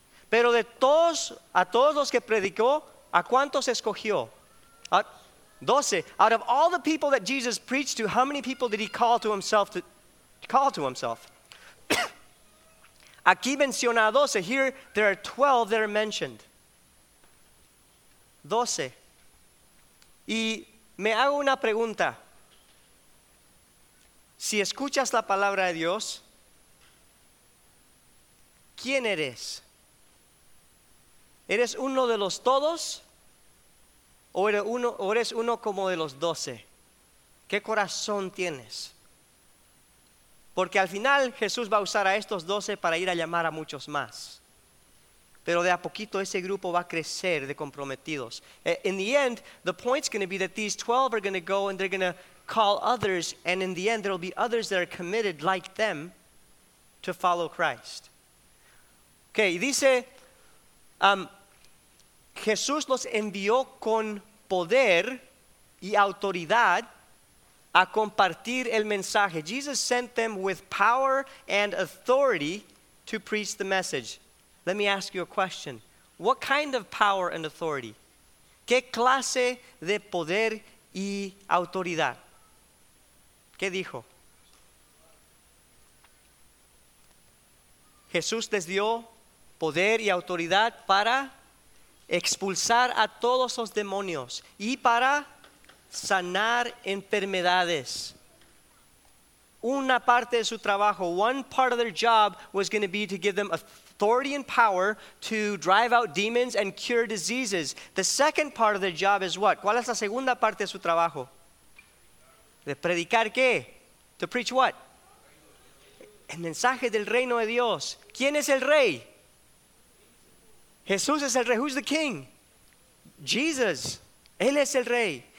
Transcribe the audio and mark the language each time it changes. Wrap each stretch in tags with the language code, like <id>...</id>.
<es>Pero de todos, a todos los que predicó, ¿a cuántos escogió? 12.</es> <en>Out of all the people that Jesus preached to, how many people did he call to himself?</en> <es>Aquí menciona 12.</es> <en>Here there are 12 that are mentioned.</en> <es>12. Y me hago una pregunta. Si escuchas la palabra de Dios, ¿quién eres? ¿Eres uno de los todos? ¿O eres uno como de los 12? ¿Qué corazón tienes? Porque al final Jesús va a usar a estos 12 para ir a llamar a muchos más. Pero de a poquito ese grupo va a crecer de comprometidos.</es> <en>In the end, the point's going to be that these 12 are going to go and they're going to call others, and in the end there will be others that are committed like them to follow Christ.</en> <es>Okay, dice, Jesús los envió con poder y autoridad a compartir el mensaje.</es> <en>Jesus sent them with power and authority to preach the message. Let me ask you a question. What kind of power and authority?</en> <es>¿Qué clase de poder y autoridad? ¿Qué dijo? Jesús les dio poder y autoridad para expulsar a todos los demonios y para sanar enfermedades. Una parte de su trabajo,</es> <en>one part of their job was going to be to give them authority and power to drive out demons and cure diseases. The second part of their job is what?</en> <es>¿Cuál es la segunda parte de su trabajo? ¿De predicar qué?</es> <en>To preach what?</en> <es>El mensaje del reino de Dios. ¿Quién es el rey? Jesús es el rey.</es> <en>Who's the king? Jesus.</en> <es>Él es el rey.</es>